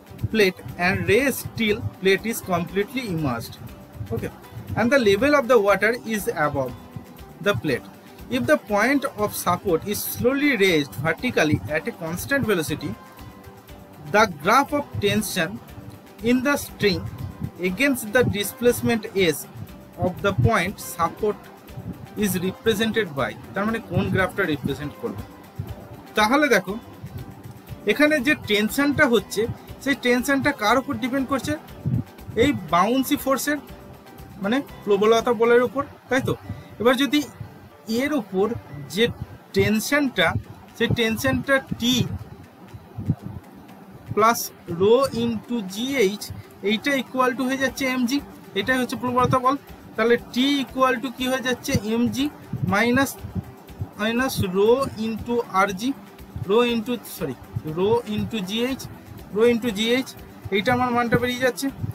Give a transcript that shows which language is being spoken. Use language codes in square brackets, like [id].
[en] plate and ray steel plate is completely immersed okay and the level of the water is above the plate if the point of support is slowly raised vertically at a constant velocity the graph of tension in the string against the displacement s of the point support is represented by [bn] তার মানে কোন গ্রাফটা represent করবে। তাহলে দেখো এখানে যে টেনশনটা হচ্ছে সেই টেনশনটা কার উপর ডিপেন্ড করছে, এই বাউন্সি ফোর্সের মানে প্রবলতা বলের উপর, তাই তো। এবার যদি এর উপর যে টেনশনটা সেই টেনশনটা টি প্লাস রো ইনটু জিএইচ এইটা ইকুয়াল টু হয়ে যাচ্ছে এমজি, এটাই হচ্ছে প্রবলতা বল, তাহলে টি ইকুয়াল টু কি হয়ে যাচ্ছে MG minus minus rho into আরজি rho into sorry rho into GH rho into GH এইটা আমার মানটা বেরিয়ে যাচ্ছে।